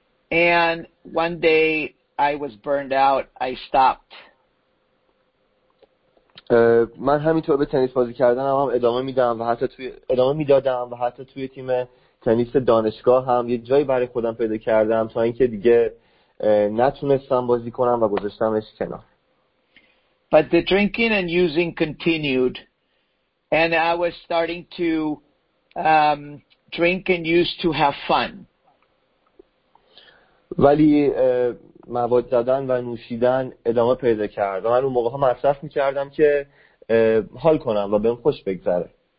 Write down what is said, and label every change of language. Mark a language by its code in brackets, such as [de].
[en] And one day I was burned out. I stopped. [fa] من همینطور به تنیس بازی کردن هم ادامه میدادم و حتی توی تیم تنیس دانشگاه هم یه جایی برای خودم پیدا کردم تا اینکه دیگه نتونستم بازی کنم و گذاشتمش کنار. [en] But the drinking and using continued, and I was starting to drink and use to have fun. [fa] ولی مواد زدن و نوشیدن ادامه پیدا کرد. من اون موقع ها مصرف می‌کردم که حال کنم و بهم خوش بگذره.